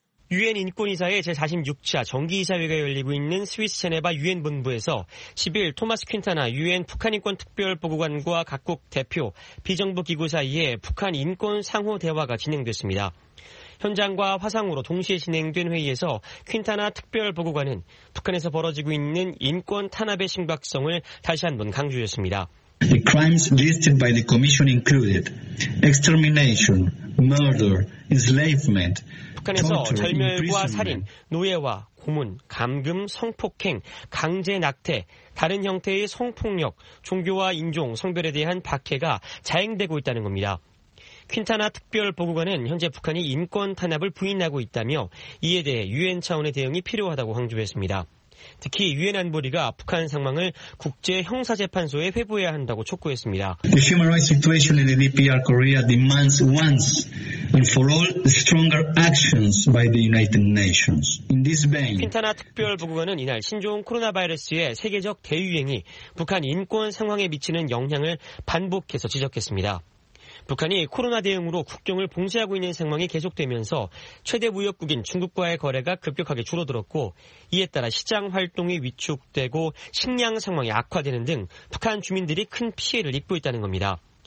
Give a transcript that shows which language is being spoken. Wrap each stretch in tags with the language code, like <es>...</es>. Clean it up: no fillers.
<ko>유엔 인권이사회 제46차 정기이사회가 열리고 있는 스위스 제네바 유엔 본부에서 10일 토마스 퀸타나 유엔 북한인권특별보고관과 각국 대표 비정부기구 사이에 북한 인권 상호 대화가 진행됐습니다. 현장과 화상으로 동시에 진행된 회의에서 퀸타나 특별보고관은 북한에서 벌어지고 있는 인권 탄압의 심각성을 다시 한번 강조했습니다.</ko> <en>The crimes listed by the commission included extermination, murder, enslavement.</en> <ko>북한에서 절멸과 살인, 노예와 고문, 감금, 성폭행, 강제 낙태, 다른 형태의 성폭력, 종교와 인종, 성별에 대한 박해가 자행되고 있다는 겁니다. 퀸타나 특별보고관은 현재 북한이 인권 탄압을 부인하고 있다며 이에 대해 유엔 차원의 대응이 필요하다고 강조했습니다. 특히 유엔 안보리가 북한 상황을 국제형사재판소에 회부해야 한다고 촉구했습니다.</ko> <en>The human rights situation in the DPR Korea demands once and for all stronger actions by the United Nations. In this vein,</en> <ko>퀸타나 특별보고관은 이날 신종 코로나 바이러스의 세계적 대유행이 북한 인권 상황에 미치는 영향을 반복해서 지적했습니다. 북한이 코로나 대응으로 국경을 봉쇄하고 있는 상황이 계속되면서 최대 무역국인 중국과의 거래가 급격하게 줄어들었고 이에 따라 시장 활동이 위축되고 식량 상황이 악화되는 등 북한 주민들이 큰 피해를 입고 있다는 겁니다.</ko>